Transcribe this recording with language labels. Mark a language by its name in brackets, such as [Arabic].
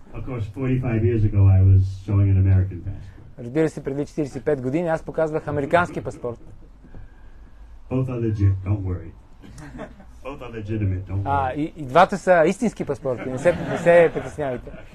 [English] Of course, 45 years ago, I was showing an American passport. [Bulgarian] Разбира се, преди 45 години аз показвах американски паспорт. [English] Both are legit, don't worry. Both are legitimate, don't worry. [Bulgarian] И двата са истински паспорти, не се притеснявайте.